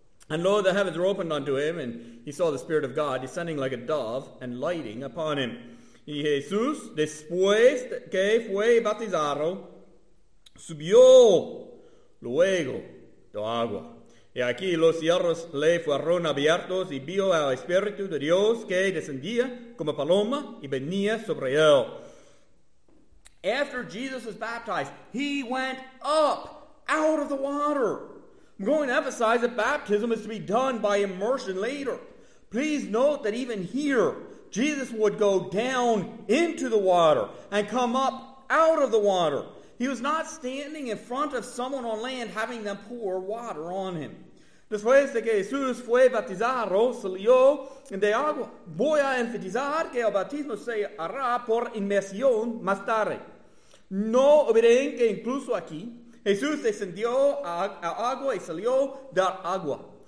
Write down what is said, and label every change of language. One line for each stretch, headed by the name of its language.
English: And lo, the heavens were opened unto him, and he saw the Spirit of God descending like a dove and lighting upon him.
Spanish: Y Jesús, después que fue bautizado, subió luego de agua. Y aquí los cielos le fueron abiertos, y vio al Espíritu de Dios que descendía como paloma y venía sobre él.
English: After Jesus was baptized, he went up out of the water. I'm going to emphasize that baptism is to be done by immersion later. Please note that even here, Jesus would go down into the water and come up out of the water. He was not standing in front of someone on land having them pour water on him.
Spanish: Después de que Jesús fue bautizado, salió de agua. Voy a enfatizar que el bautismo se hará por inmersión más tarde. No olviden que incluso aquí, Jesús descendió a agua y salió de agua.